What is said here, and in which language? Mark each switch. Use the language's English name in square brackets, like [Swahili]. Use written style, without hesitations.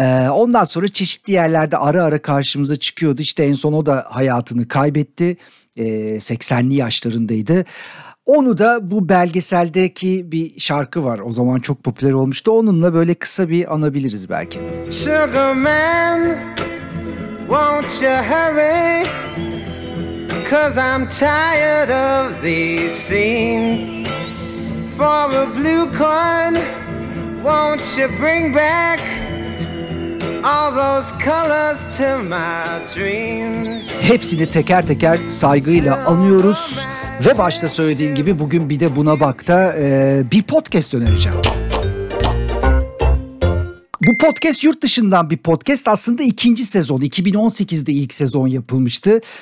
[Turkish] Ondan sonra çeşitli yerlerde ara ara karşımıza çıkıyordu. İşte en son o da hayatını kaybetti. 80'li yaşlarındaydı. Onu da bu belgeseldeki bir şarkı var. O zaman çok popüler olmuştu. Onunla böyle kısa bir anabiliriz belki. [English] Sugar man, won't you hurry? 'Cause I'm tired of these scenes. For a blue coin, won't you bring back all those colors to my dreams? [Turkish] Hepsini teker teker saygıyla anıyoruz. Ve başta söylediğin gibi bugün bir de buna bak da bir podcast önereceğim. Bu podcast yurt dışından bir podcast. Aslında ikinci sezon. 2018'de ilk sezon yapılmıştı.